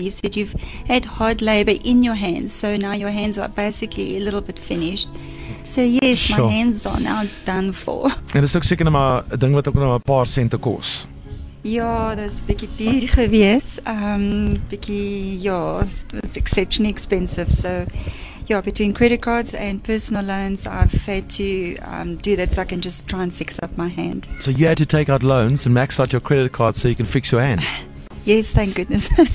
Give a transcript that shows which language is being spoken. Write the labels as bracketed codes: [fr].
[en] He said, you've had hard labor in your hands, so now your hands are basically a little bit finished. So yes, sure. My hands are now done for. [af] En dis ook seker nou maar 'n ding wat ook nou 'n paar sente kos. Ja, dit is 'n bietjie duur gewees. [en] It was exceptionally expensive, so... Yeah, between credit cards and personal loans, I've had to do that so I can just try and fix up my hand. So you had to take out loans and max out your credit card so you can fix your hand? Yes, thank goodness.